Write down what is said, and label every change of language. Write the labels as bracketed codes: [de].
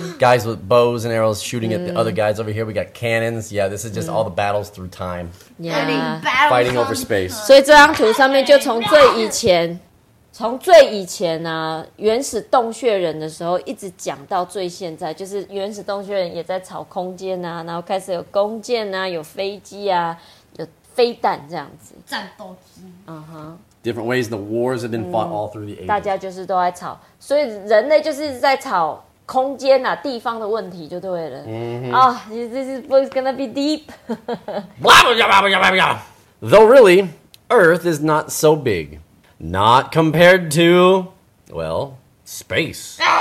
[en] Guys with bows and arrows shooting at the other guys over here. We got cannons. Yeah, this is just all the battles through time. Yeah. Fighting over space. [zh] 所以这张图上面就从最以前，从最以前啊，原始洞穴人的时候一直讲到最现在，就是原始洞穴人也在吵空间啊，然后开始有弓箭啊，有飞机啊，有飞弹这样子。战斗机。嗯哼。 [en] Different ways the wars have been fought all through the ages. [zh] 大家就是都在吵，所以人类就是在吵空间啊，地方的问题就对了。 Mm-hmm. [en] Oh, this book's gonna be deep. Blah, blah, blah, blah, blah, blah. Though really, Earth is not so big. Not compared to, well, space.